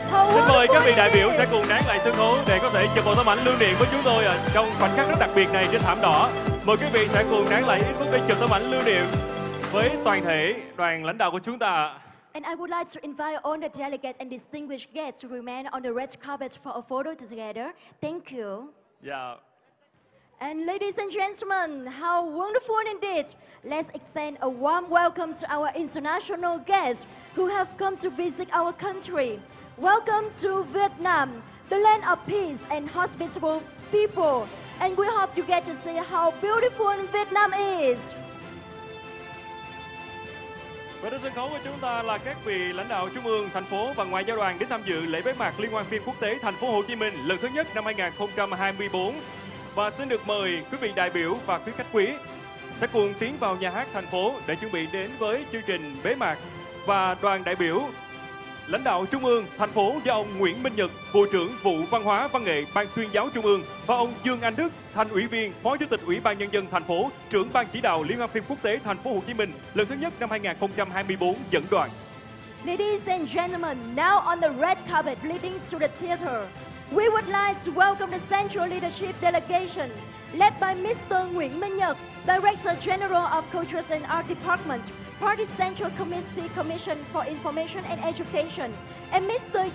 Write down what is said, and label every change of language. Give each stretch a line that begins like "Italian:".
Vietnamese: Xin mời các vị đại biểu sẽ cùng nán lại sân khấu để có thể chụp một tấm ảnh lưu niệm với chúng tôi trong khoảnh khắc rất đặc biệt này trên thảm đỏ. Mời quý vị sẽ cùng nán lại ít phút để chụp tấm ảnh lưu niệm với toàn thể đoàn lãnh đạo của chúng ta.
English: And I would like to invite all the delegates and distinguished guests to remain on the red carpet for a photo together. Thank you. Yeah. And ladies and gentlemen, how wonderful indeed. Let's extend a warm welcome to our international guests who have come to visit our country. Welcome to Vietnam, the land of peace and hospitable people. And we hope you get to see how beautiful Vietnam is.
Vietnamese: Và trên sân khấu của chúng ta là các vị lãnh đạo trung ương, thành phố và ngoại giao đoàn đến tham dự lễ bế mạc liên hoan phim quốc tế thành phố Hồ Chí Minh lần thứ nhất năm 2024. Và xin được mời quý vị đại biểu và quý khách quý sẽ cùng tiến vào nhà hát thành phố để chuẩn bị đến với chương trình bế mạc. Và đoàn đại biểu lãnh đạo trung ương, thành phố do ông Nguyễn Minh Nhật, Bộ trưởng Vụ Văn hóa Văn nghệ Ban Tuyên giáo Trung ương và ông Dương Anh Đức, Thành ủy viên, Phó Chủ tịch Ủy ban Nhân dân thành phố, Trưởng Ban Chỉ đạo Liên hoan phim quốc tế thành phố Hồ Chí Minh lần thứ nhất năm 2024 dẫn đoàn.
English: Ladies and gentlemen, now on the red carpet leading to the theater, we would like to welcome the Central Leadership Delegation led by Mr. Nguyễn Minh Nhật, Director General of Cultures and Art Department, Party Central Committee Commission for Information and Education, and Mr.